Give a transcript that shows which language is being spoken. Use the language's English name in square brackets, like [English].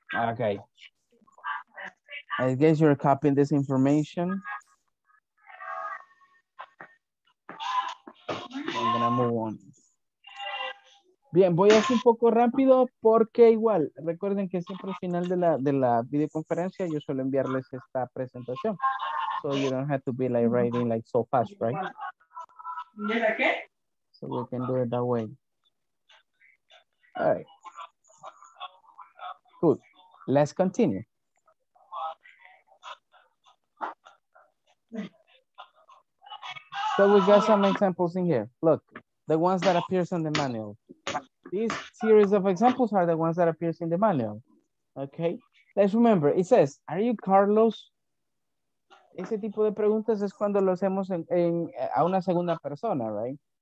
[English] Okay. I guess you're copying this information. I'm gonna move on. [Spanish] Bien, voy así un poco rápido porque igual, recuerden que siempre al final de la videoconferencia yo suelo enviarles esta presentación. [English] So you don't have to be like writing like so fast, right? So we can do it that way. All right. Good. Let's continue. So we got some examples in here. Look, the ones that appears in the manual. These series of examples are the ones that appears in the manual. Okay. Let's remember, it says, are you Carlos? [Spanish] Ese tipo de preguntas es cuando lo hacemos a una segunda persona, [English] right?